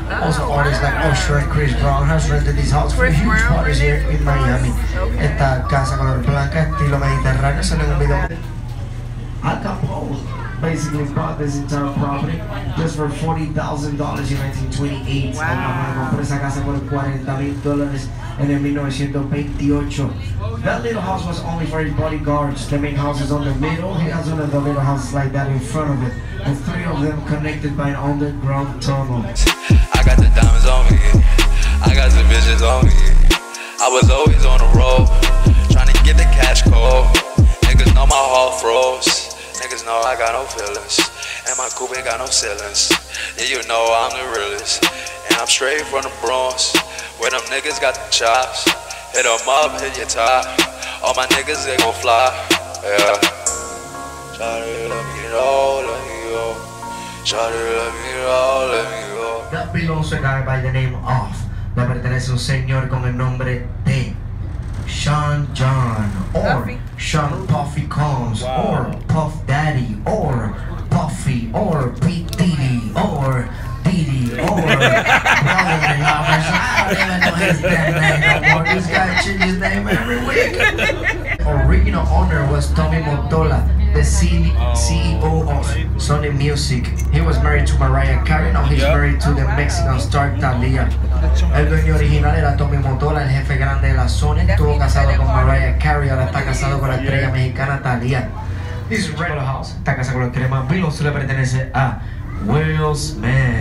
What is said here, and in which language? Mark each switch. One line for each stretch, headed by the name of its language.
English: Also artists like Usher and Chris Brown has rented this house for huge parties here in Miami.
Spanish: Esta casa color blanca estilo mediterráneo se le olvidó.
English: Al Capone basically bought this entire property just for $40,000 in 1928. Wow. $40,000 in 1928. That little house was only for his bodyguards. The main house is on the middle. He has one of the little houses like that in front of it. The three of them connected by an underground tunnel. I got the diamonds on me. I got the bitches on me. I was always on the road, trying to get the cash cold. Niggas know my heart froze. Niggas know I got no feelings. And my coupe ain't got no ceilings. Yeah, you know I'm the realest. And I'm straight from the Bronx, where them niggas got the chops. Hit them up, hit your top. All my niggas, they gon' fly. Yeah. Shawty, let me know, let me go. Shawty, let me know, let me go. That pillow also got by the name of.
Spanish: Le pertenece un señor con el nombre de Sean John,
English: or Sean Puffy Combs, wow. Or Puff Daddy, or Puffy, or P. Diddy, or Diddy, or Brother in Law. I don't even know his damn name no more. This guy changes his name every week. Original owner was Tommy Mottola, the CEO of Sony Music. He was married to Mariah Carey, now he's married to the Mexican star Thalia.
Spanish: El dueño original era Tommy Mottola, el jefe grande de la Sony. Estuvo casado con Mariah Carey, ahora está casado con la estrella mexicana Thalia.
English: This is Red House.
Spanish: Esta casa con los crema Billows le pertenece a Will Smith.